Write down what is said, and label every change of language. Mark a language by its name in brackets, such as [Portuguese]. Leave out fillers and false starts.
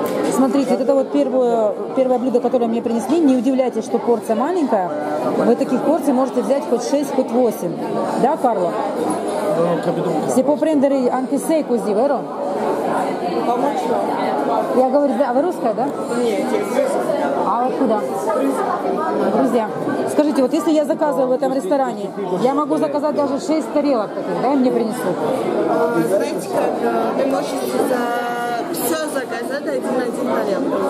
[Russian] Смотрите, это вот первое блюдо, которое мне принесли. Не удивляйтесь, что порция маленькая. Вы таких порций можете взять хоть 6, хоть 8. Да, Карло? [Italian] Si può prendere anche 6 così, vero? [Russian] Я говорю, да, а вы русская, да? Нет, я русская. А откуда? Друзья, скажите, вот если я заказываю в этом ресторане, я могу заказать даже 6 тарелок, да, мне принесут? Знаете как, вы можете за все заказать один-один тарелку.